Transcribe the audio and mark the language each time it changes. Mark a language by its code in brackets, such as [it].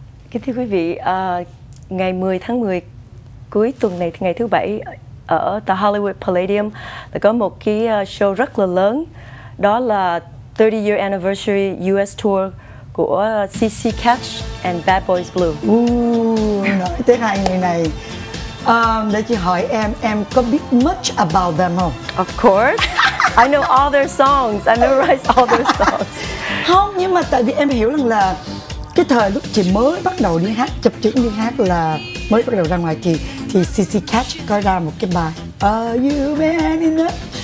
[vi] Kính thưa quý vị, ngày 10 tháng 10 cuối tuần này, ngày thứ Bảy, ở The Hollywood Palladium thì có một cái show rất là lớn, đó là 30 Year Anniversary US Tour của CC Catch and Bad Boys Blue. Nói tới hai người này, để chị hỏi em có biết [en] much about them [vi] không? [en] Of course, I know all their songs, I memorize all their songs. [vi] Không, nhưng mà tại vì em hiểu rằng là cái thời lúc chị mới bắt đầu đi hát, chập chững đi hát là mới bắt đầu ra ngoài kia, thì CC Catch có ra một cái bài Are You Man Enough.